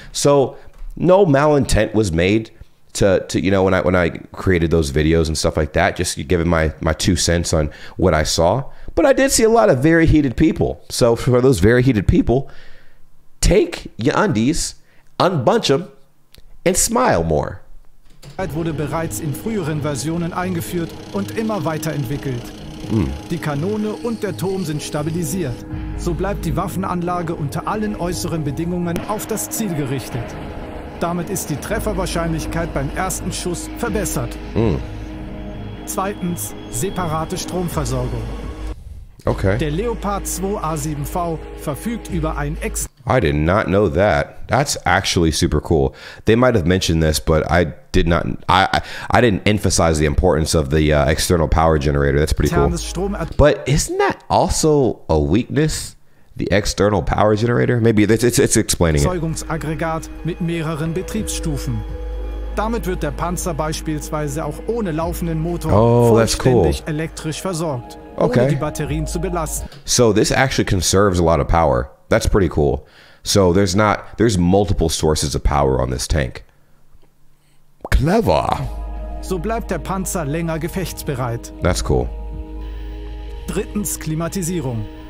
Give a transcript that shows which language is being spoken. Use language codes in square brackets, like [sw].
[en] So no malintent was made to you know, when I created those videos and stuff like that, just giving my two cents on what I saw. But I did see a lot of very heated people. So for those very heated people, take your undies, unbunch them, and smile more. [de] Wurde bereits in früheren Versionen eingeführt und immer weiterentwickelt. Die Kanone und der Turm sind stabilisiert. So bleibt die Waffenanlage unter allen äußeren Bedingungen auf das Ziel gerichtet. Damit ist die Trefferwahrscheinlichkeit beim ersten Schuss verbessert. Zweitens, separate Stromversorgung. Okay. Der Leopard 2A7V verfügt über ein [en] I did not know that. That's actually super cool. They might have mentioned this, but I did not. I didn't emphasize the importance of the external power generator. That's pretty cool. But isn't that also a weakness? The external power generator? Maybe it's explaining it. [de] Erzeugungsaggregat mit mehreren Betriebsstufen. Damit wird der Panzer beispielsweise auch ohne laufenden Motor vollständig elektrisch versorgt, ohne die Batterien zu belasten. [en] So this actually conserves a lot of power. That's pretty cool. So there's multiple sources of power on this tank. Clever. [de] So bleibt der Panzer länger gefechtsbereit. [en] That's cool. [de] Drittens, Klimatisierung.